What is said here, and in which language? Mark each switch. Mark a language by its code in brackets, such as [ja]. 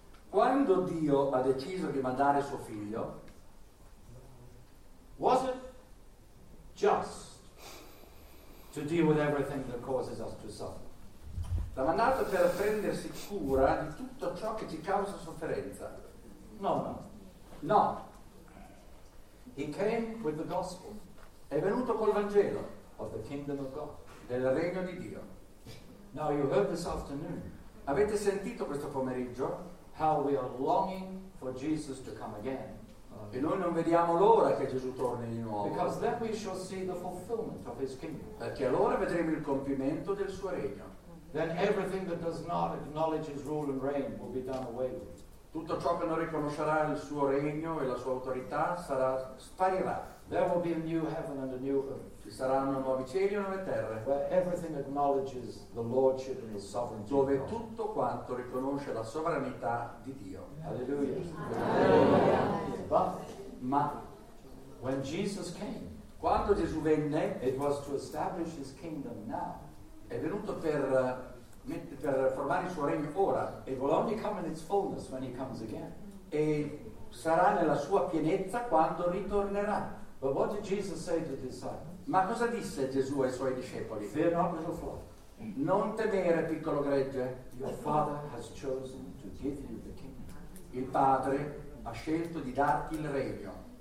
[it] quando Dio ha deciso di mandare suo figlio, [en] was it just to deal with everything that causes us to suffer? [it] L'ha mandato per prendersi cura di tutto ciò che ci causa sofferenza. [en] No. He came with the gospel. [it] È venuto col Vangelo. [en] Of the kingdom of God. [it] Del regno di Dio. [en] Now you heard this afternoon. [it] Avete sentito questo pomeriggio? [en] How we are longing for Jesus to come again. [it] E noi non vediamo l'ora che Gesù torni di nuovo. [en] Because then we shall see the fulfillment of his kingdom. [it] Perché allora vedremo il compimento del suo regno. [en] Then everything that does not acknowledge his rule and reign will be done away with. [it] Tutto ciò che non riconoscerà il suo regno e la sua autorità sarà, sparirà. [en] There will be a new heaven and a new earth. [it] Ci saranno nuovi cieli e nuove terre. [en] Where everything acknowledges the lordship and his sovereignty. [it] Dove tutto quanto riconosce la sovranità di Dio. Hallelujah. Ma [en] when Jesus came, [it] quando Gesù venne, [en] it was to establish his kingdom now. [it] È venuto per formare il suo regno ora. [en] It will only come in its fullness when he comes again. [it] E sarà nella sua pienezza quando ritornerà. [en] But what did Jesus say to the disciples? [it] Ma cosa disse Gesù ai suoi discepoli? [en] Fear not, little flock. [it] Non temere, piccolo gregge. [en] Your father has chosen to give you the kingdom. [it] Il padre ha scelto di darti il regno.